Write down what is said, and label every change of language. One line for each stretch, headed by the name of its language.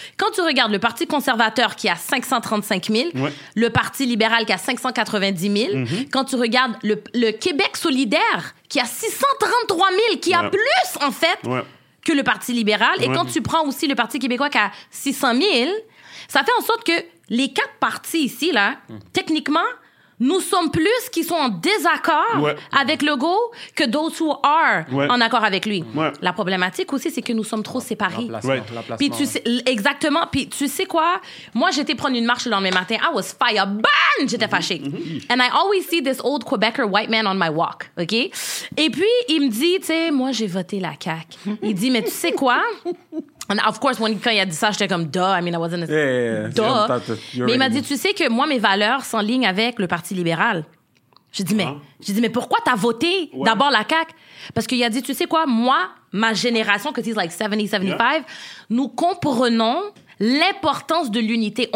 French: Quand tu regardes le Parti conservateur qui a 535 000, le Parti libéral qui a 590 000, quand tu regardes le Québec solidaire qui a 633 000, qui a plus, en fait, que le Parti libéral, et quand tu prends aussi le Parti québécois qui a 600 000, ça fait en sorte que les quatre partis ici, là, techniquement, nous sommes plus qui sont en désaccord avec Legault que
English: those who are
French: en accord avec lui. La problématique aussi, c'est que nous sommes trop séparés. Puis tu sais, exactement. Puis tu sais quoi? Moi, j'étais prendre une marche le lendemain matin.
English: I was fire. Bam!
French: J'étais fâchée.
English: And I always see this old Quebecer white man on my walk. OK?
French: Et puis, il me dit, tu sais, moi, j'ai voté la CAQ. Il dit, mais tu sais quoi? And of course, quand il a dit ça, j'étais comme, duh,
English: I mean, I wasn't... Yeah, yeah, yeah. Duh.
French: Mais right, il m'a dit, tu sais que moi, mes valeurs s'enlignent avec le Parti libéral. J'ai dit, mais pourquoi t'as voté d'abord la CAQ? Parce qu'il a dit, tu sais quoi, moi, ma génération, que c'est like 70, 75, nous comprenons l'importance de l'unité.